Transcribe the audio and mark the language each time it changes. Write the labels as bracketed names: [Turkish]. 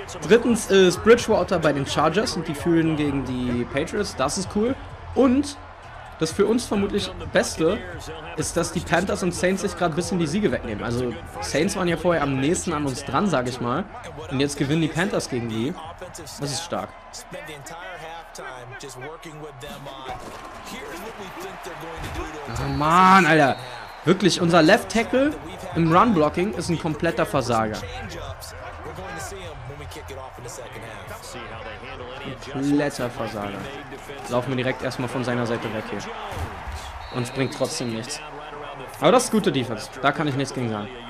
[German] Drittens ist Bridgewater bei den Chargers und die führen gegen die Patriots, das ist cool. Und das für uns vermutlich Beste ist, dass die Panthers und Saints sich gerade ein bisschen die Siege wegnehmen. Also Saints waren ja vorher am nächsten an uns dran, sage ich mal. Und jetzt gewinnen die Panthers gegen die. Das ist stark. [English] time just working with them on. Here's what we think they're going to do to him. [German] Oh man, Alter. Wirklich, unser Left Tackle im Run Blocking ist ein kompletter Versager. Kompletter Versager. Laufen wir direkt erstmal von seiner Seite weg hier. Und es bringt trotzdem nichts. Aber das ist gute Defense. Da kann ich nichts gegen sagen.